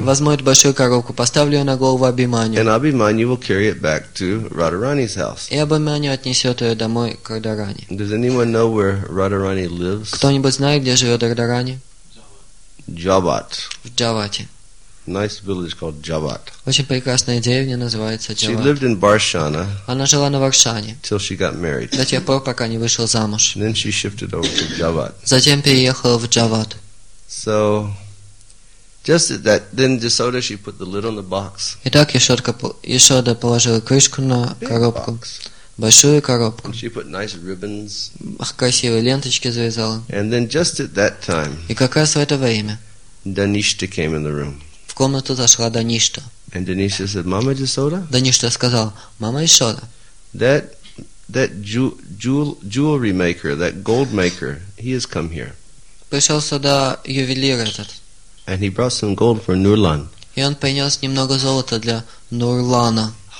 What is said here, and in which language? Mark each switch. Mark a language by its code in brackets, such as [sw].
[ru] Возьму эту большую коробку, поставлю ее на голову Абхиманию. [en] And Abhimanyu will carry it back to Radharani's house. [ru] И Абхиманию отнесет ее домой к Радарани. [en] Does anyone know where Radharani lives? [ru] Кто-нибудь знает, где живет Радарани? Джават. В Джавате. [en] Nice village called Джават. [ru] Очень прекрасная деревня называется Джават. [en] She lived in Barshana. [ru] Она жила на Варшане. [en] Till she got married. [ru] До тех пор, пока не вышел замуж. [en] Then she shifted over to Джават. [ru] Затем переехала в Джават. [en] So, just that, then Jasoda, she put the lid on the box. [ru] Итак, Jasoda положила крышку на коробку. Большую коробку. [en] She put nice ribbons. [ru] Красивые ленточки завязала. [en] And then just at that time. [ru] И как раз в это время. [en] Даништа came in the room. [ru] В комнату зашла Даништа. [en] And Даништа said, "Mama Jasoda." [ru] Даништа сказала, "Мама Jasoda." [en] That jewelry maker, that gold maker, he has come here. [ru] Пришел сюда ювелир этот. [en] And he brought some gold for Nurlan. [ru] И он принес немного золота для Нурлана.